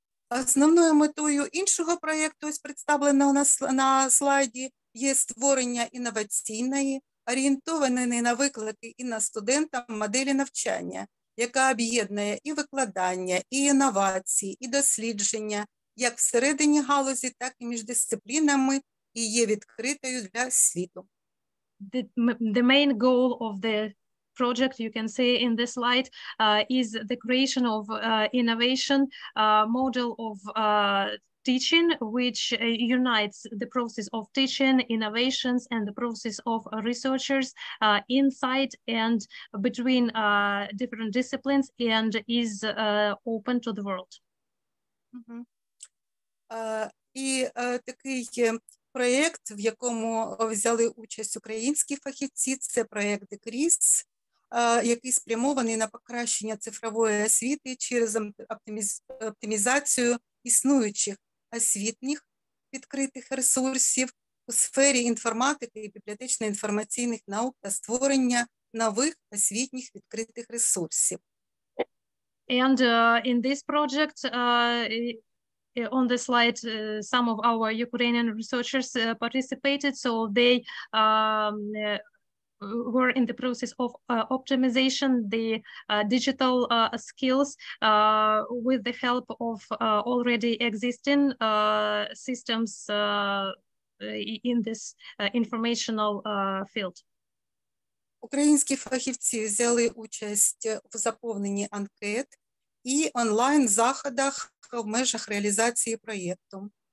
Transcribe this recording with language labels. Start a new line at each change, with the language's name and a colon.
Ukrainian: Основною метою іншого проєкту, ось представленого на слайді, є створення інноваційної, орієнтованої на виклики і на студентів моделі навчання, яка об'єднує і викладання, і інновації, і дослідження, як всередині галузі, так і між дисциплінами, і є відкритою для світу.
English: The main goal of the project, you can say in this slide, is the creation of innovation model of teaching, which unites the process of teaching, innovations, and the process of researchers' insight and between different disciplines, and is open to the world.
Ukrainian: І такий проєкт, в якому взяли участь українські фахівці, це проєкт ДКРІС, який спрямований на покращення цифрової освіти через оптимізацію існуючих освітніх відкритих ресурсів у сфері інформатики і бібліотечно-інформаційних наук та створення нових освітніх відкритих ресурсів.
English: And in this project, on the slide, some of our Ukrainian researchers participated, so they were in the process of optimization the digital skills with the help of already existing systems in this informational field.
Ukrainian: Українські фахівці взяли участь в заповненні анкет і онлайн-заходах в межах реалізації проєкту.